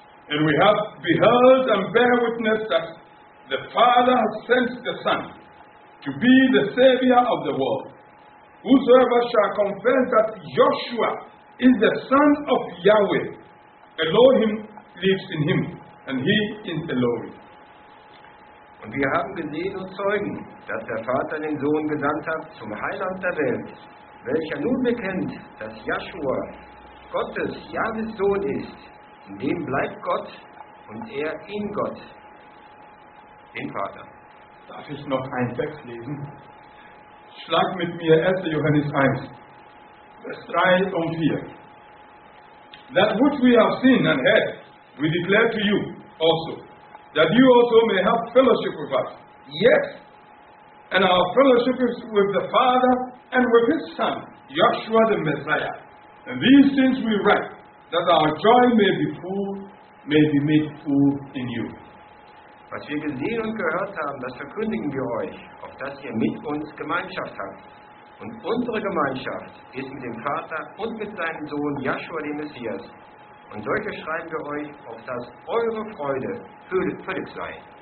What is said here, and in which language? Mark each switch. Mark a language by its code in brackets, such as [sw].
[en] And we have beheld and bear witness that the Father has sent the Son to be the Savior of the world. Whosoever shall confess that Joshua is the Son of Yahweh, Elohim lives in him, and he is Elohim. [de] Und wir haben gesehen und Zeugen, dass der Vater den Sohn gesandt hat zum Heiland der Welt, welcher nun bekennt, dass Joshua Gottes, Yahwehs Sohn ist. In dem bleibt Gott und er in Gott, den Vater. Darf ich noch einen Text lesen? Schlag mit mir 1. Johannes 1, Vers 3 und 4. [en] That which we have seen and heard, we declare to you also, that you also may have fellowship with us. Yes, and our fellowship is with the Father and with his Son, Joshua the Messiah. And these things we write, that our joy may be made full in you. [de] Was wir gesehen und gehört haben, das verkündigen wir euch, auf dass ihr mit uns Gemeinschaft habt. Und unsere Gemeinschaft ist mit dem Vater und mit seinem Sohn Joshua dem Messias. Und solche schreiben wir euch, auf dass eure Freude völlig sei.